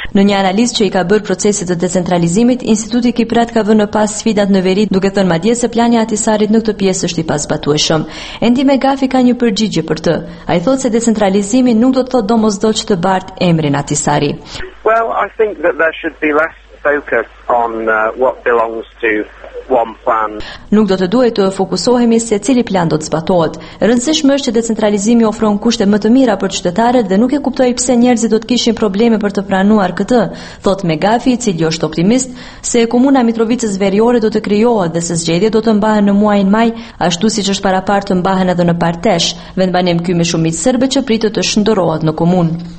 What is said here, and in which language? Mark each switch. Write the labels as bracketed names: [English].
[Albanian] Në një analizë që i ka bërë procesit të decentralizimit, Instituti Kiprat ka vënë pas sfidat në veri duke thënë madje se plani Atisarit në këtë pjesë është i pasbatueshëm. Endi Megafi ka një përgjigje për të. Ai thotë se decentralizimi nuk do të thotë domosdoshmë të bartë emrin Atisari. [English] Well, I think that there should be less focus on what belongs to one plan. [Albanian] Nuk do të duhet të fokusohemi se cili plan do të zbatohet. Rëndësishmë është që decentralizimi ofron kushte më të mira për qytetarët dhe nuk e kuptoj pse njerëzit do të kishin probleme për të pranuar këtë, thot Megafi, i cili është optimist se komuna Mitrovicës Veriore do të krijohet dhe se zgjedhjet do të mbahen në muajin maj, ashtu siç është paraqitur të mbahen edhe në Partesh, vendbanim ky me shumicë serbe që pritet të shndërrohet në komunë.